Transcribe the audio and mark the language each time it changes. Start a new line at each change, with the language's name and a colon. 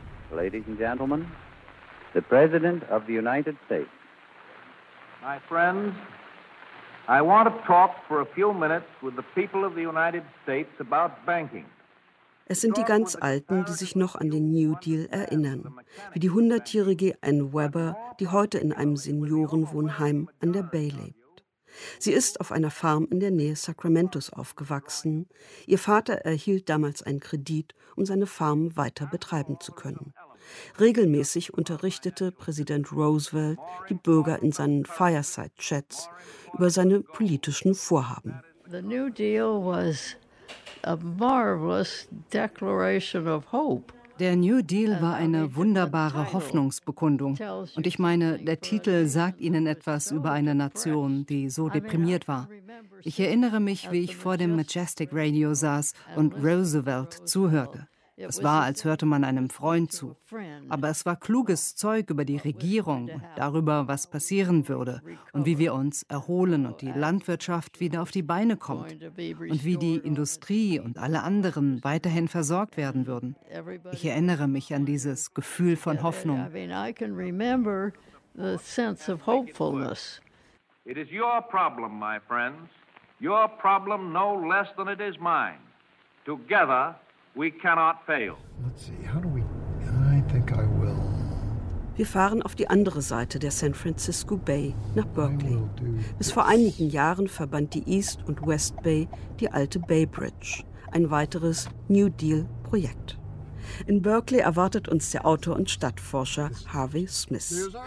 English: Ladies and gentlemen, the President of the United States. My friends, I want to talk for a few minutes with the people of the United States about banking.
German: Es sind die ganz Alten, die sich noch an den New Deal erinnern, wie die 100-jährige Ann Weber, die heute in einem Seniorenwohnheim an der Bay lebt. Sie ist auf einer Farm in der Nähe Sacramentos aufgewachsen. Ihr Vater erhielt damals einen Kredit, um seine Farm weiter betreiben zu können. Regelmäßig unterrichtete Präsident Roosevelt die Bürger in seinen Fireside-Chats über seine politischen Vorhaben.
English: The New Deal was a marvelous declaration of hope.
German: Der New Deal war eine wunderbare Hoffnungsbekundung. Und ich meine, der Titel sagt Ihnen etwas über eine Nation, die so deprimiert war. Ich erinnere mich, wie ich vor dem Majestic Radio saß und Roosevelt zuhörte. Es war, als hörte man einem Freund zu. Aber es war kluges Zeug über die Regierung, darüber, was passieren würde und wie wir uns erholen und die Landwirtschaft wieder auf die Beine kommt und wie die Industrie und alle anderen weiterhin versorgt werden würden. Ich erinnere mich an dieses Gefühl von Hoffnung.
English: I can remember the sense of hopefulness. It is your problem, my friends. Your problem no less than it is mine. Together, we cannot fail. Let's see, how do we... I think I will.
German: Wir fahren auf die andere Seite der San Francisco Bay, nach Berkeley. Bis vor einigen Jahren verband die East und West Bay die alte Bay Bridge, ein weiteres New Deal-Projekt. In Berkeley erwartet uns der Autor und Stadtforscher Harvey Smith.